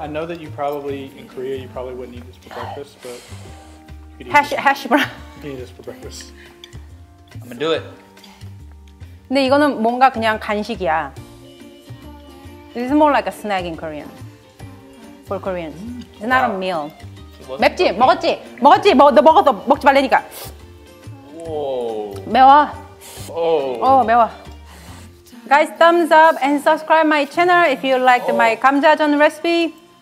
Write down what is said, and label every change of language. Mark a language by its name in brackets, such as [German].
[English] I know that you probably, in Korea, you probably wouldn't eat this for breakfast, but... Hash brown. You can eat this for breakfast. I'm gonna do it. [Korean] 근데 이거는 뭔가 그냥 간식이야. [English] This is more like a snack in Korean. For Koreans. It's not a meal. [Korean] 맵지? 먹었지? 먹었지? 너 먹었어. 먹지 말라니까. 매워. Oh. 매워. [English] Guys, thumbs up and subscribe my channel if you liked my Gamjajeon recipe.